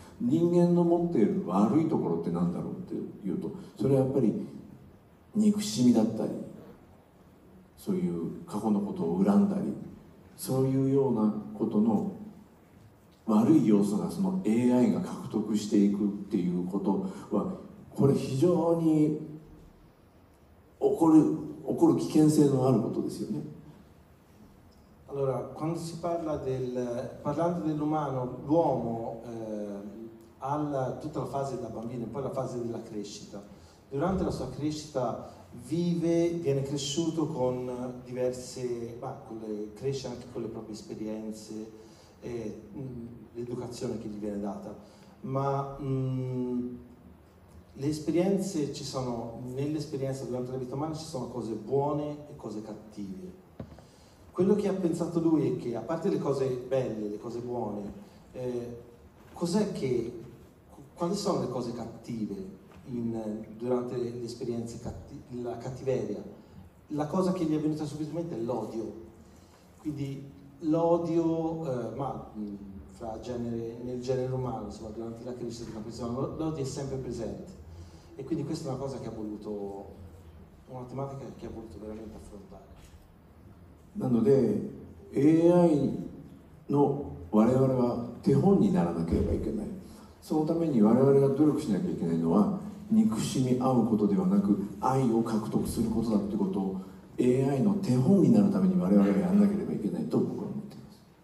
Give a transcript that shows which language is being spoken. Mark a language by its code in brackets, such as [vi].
[ja] 人間の持っている悪いところって何だろうっていうと、それはやっぱり憎しみだったり、そういう過去のことを恨んだり、そういうようなことの悪い要素がその AI が獲得していくっていうことは、これ非常に起こる危険性のあることですよね。 [it] Allora, quando si parla del parlando dell'umano, l'uomo ha tutta la fase da bambino e poi la fase della crescita. Durante la sua crescita vive, viene cresciuto con diverse, cresce anche con le proprie esperienze e l'educazione che gli viene data. Ma le esperienze ci sono, nell'esperienza durante la vita umana ci sono cose buone e cose cattive. Quello che ha pensato lui è che, a parte le cose belle, le cose buone, quali sono le cose cattive durante le esperienze la cattiveria? La cosa che gli è venuta subito in mente è l'odio. Quindi l'odio, nel genere umano, insomma, durante la crescita di una persona, l'odio è sempre presente. E quindi questa è una cosa che ha voluto, una tematica che ha voluto veramente affrontare. [ja] なので AI の我々は手本にならなければいけない。そのために我々が努力しなきゃいけないのは憎しみ合うことではなく愛を獲得することだってことを AI の手本になるために我々がやらなければいけないと僕は思っています。